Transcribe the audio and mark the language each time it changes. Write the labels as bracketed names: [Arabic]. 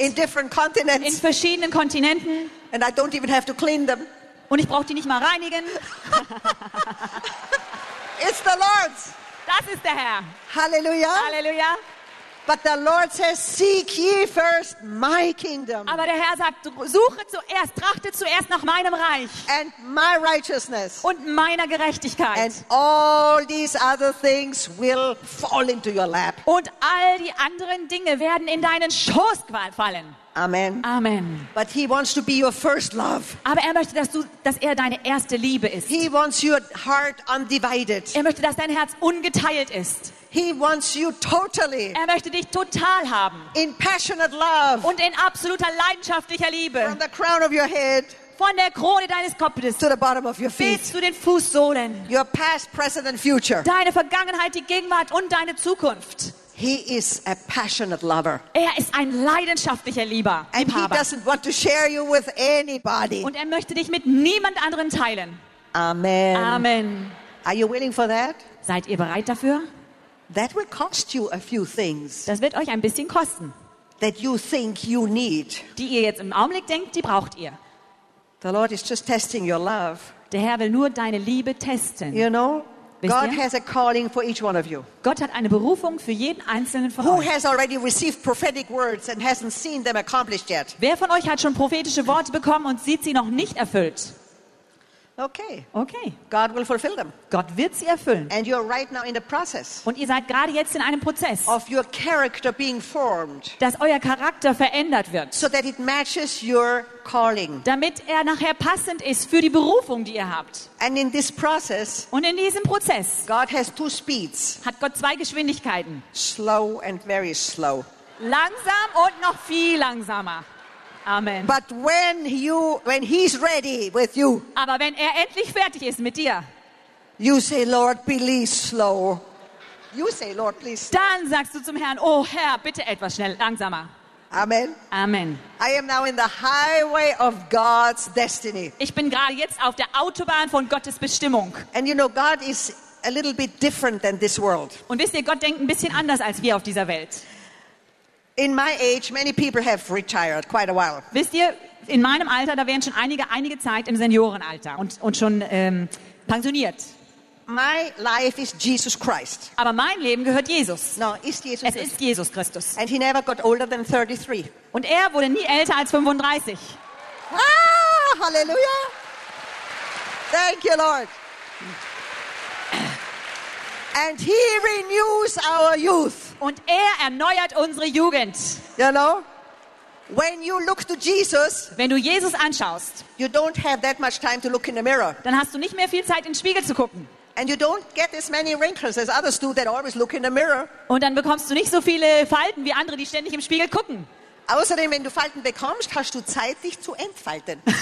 [English] In different continents. [German] In verschiedenen Kontinenten. [English] And I don't even have to clean them. [German] Und ich brauche die nicht mal reinigen. [English] It's the Lord's. [German] Das ist der Herr. [English] Halleluja. [German] Halleluja. [English] But the Lord says, seek ye first my kingdom. [German] Aber der Herr sagt, suche zuerst, trachte zuerst nach meinem Reich. [English] And my righteousness. [German] Und meiner Gerechtigkeit. [English] And all these other things will fall into your lap. [German] Und all die anderen Dinge werden in deinen Schoß fallen. [English] Amen. [German] Amen. [English] But he wants to be your first love. [German] Aber er möchte, dass er deine erste Liebe ist. [English] He wants your heart undivided. [German] Er möchte, dass dein Herz ungeteilt ist. [English] He wants you totally. [German] Er möchte dich total haben. [English] In passionate love. [German] Und in absoluter leidenschaftlicher Liebe. [English] From the crown of your head. [German] Von der Krone deines Kopfes [English] to the bottom of your feet. [German] Bis zu den Fußsohlen. [English] Your past, present and future. [German] Deine Vergangenheit, die Gegenwart und deine Zukunft. [English] He is a passionate lover. [German] Er ist ein leidenschaftlicher Lieber, Liebhaber. [English] And he doesn't want to share you with anybody. [German] Und er möchte dich mit niemand anderen teilen. [English] Amen. [German] Amen. [English] Are you willing for that? [German] Seid ihr bereit dafür? [English] That will cost you a few things. [German] Das wird euch ein bisschen kosten. [English] That you think you need. [German] Die ihr jetzt im Augenblick denkt, die braucht ihr. [English] The Lord is just testing your love. [German] Der Herr will nur deine Liebe testen. [English] You know? God has a calling for each one of you. [German] Gott hat eine Berufung für jeden einzelnen von [English] Who [German] euch. [English] Who has already received prophetic words and hasn't seen them accomplished yet? [German] Wer von euch hat schon prophetische Worte bekommen und sieht sie noch nicht erfüllt? [English] Okay. [German] Okay. [English] God will fulfill them. [German] Gott wird sie erfüllen. [English] And you're right now in the process. [German] Und ihr seid gerade jetzt in einem Prozess. [English] Of your character being formed. [German] Dass euer Charakter verändert wird. [English] So that it matches your calling. [German] Damit er nachher passend ist für die Berufung, die ihr habt. [English] And in this process. [German] Und in diesem Prozess. [English] God has two speeds. [German] Hat Gott zwei Geschwindigkeiten. [English] Slow and very slow. [German] Langsam und noch viel langsamer. Amen. [English] But when he's ready with you, [German] aber wenn er endlich fertig ist mit dir, [English] you say, Lord, please slow. You say, Lord, please. [German] Dann sagst du zum Herrn, oh Herr, bitte etwas schnell, langsamer. [English] Amen. [German] Amen. [English] I am now in the highway of God's destiny. [German] Ich bin gerade jetzt auf der Autobahn von Gottes Bestimmung. [English] And you know, God is a little bit different than this world. [German] Und wisst ihr, Gott denkt ein bisschen anders als wir auf dieser Welt. [English] In my age, many people have retired quite a while. [German] Wisst ihr, in meinem Alter, da wären schon einige Zeit im Seniorenalter und schon pensioniert. [English] My life is Jesus Christ. [German] Aber mein Leben gehört Jesus. No, ist Jesus es Christus. Ist Jesus Christus. [English] And he never got older than 33. [German] Und er wurde nie älter als 35. [English] Ah, hallelujah! Thank you, Lord. And he renews our youth. [German] Und er erneuert unsere Jugend. [English] You know? When you look to Jesus, [German] wenn du Jesus anschaust, [English] you don't have that much time to look in the mirror. [German] Dann hast du nicht mehr viel Zeit, in den Spiegel zu gucken. [English] And you don't get as many wrinkles as others do that always look in the mirror. [German] Und dann bekommst du nicht so viele Falten wie andere, die ständig im Spiegel gucken. Außerdem, wenn du Falten bekommst, hast du Zeit, dich zu entfalten.